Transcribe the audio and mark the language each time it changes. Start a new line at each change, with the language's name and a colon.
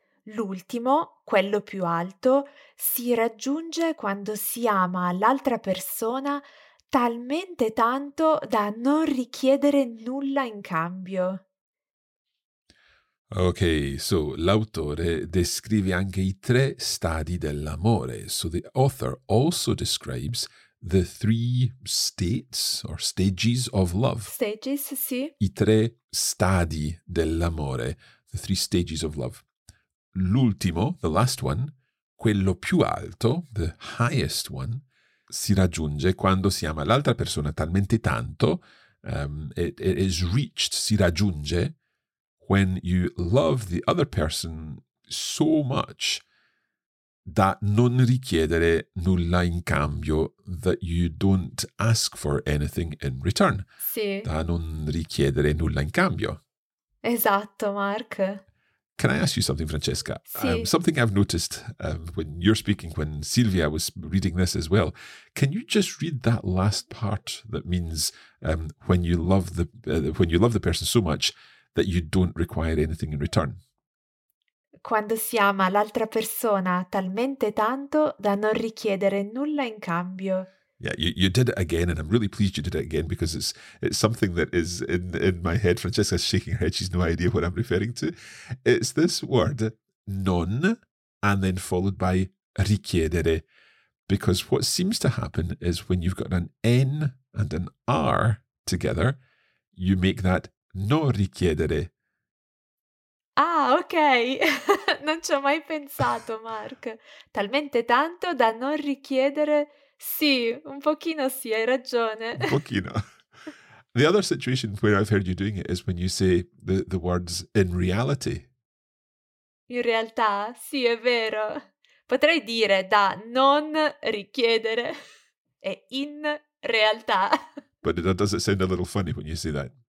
Italian: L'ultimo, quello più alto, si raggiunge quando si ama l'altra persona talmente tanto da non richiedere nulla in cambio.
English: Ok, so
Italian: l'autore descrive anche i tre stadi dell'amore.
English: So the author also describes the three states or stages of love. Stages,
Italian: sì. I tre stadi dell'amore,
English: the three stages of love.
Italian: L'ultimo,
English: the last one,
Italian: quello più alto,
English: the highest one,
Italian: si raggiunge quando si ama l'altra persona talmente tanto,
English: it is reached,
Italian: si raggiunge,
English: when you love the other person so much
Italian: da non richiedere nulla in cambio,
English: that you don't ask for anything in return.
Italian: Sì. Da non richiedere nulla in cambio. Esatto, Mark.
English: Can I ask you something, Francesca?
Italian: Sì.
English: Something I've noticed when you're speaking, when Silvia was reading this as well. Can you just read that last part that means when you love the person so much that you don't require anything in return? Quando si ama l'altra persona talmente tanto da non richiedere nulla in cambio. Yeah, you did it again, and I'm really pleased you did it again, because it's something that is in my head. Francesca's shaking her head. She's no idea what I'm referring to. It's this word, non, and then followed by richiedere. Because what seems to happen is when you've got an N and an R together, you make that
Italian: non richiedere. Ah, ok. Non ci ho mai pensato, Mark. Talmente tanto da non richiedere... Sì, un pochino sì, hai ragione. Un pochino.
English: The other situation where I've heard you doing it is when you say the words in reality.
Italian: In realtà, sì, è vero. Potrei dire da non richiedere e in realtà.
English: But does it sound a little funny when you say that?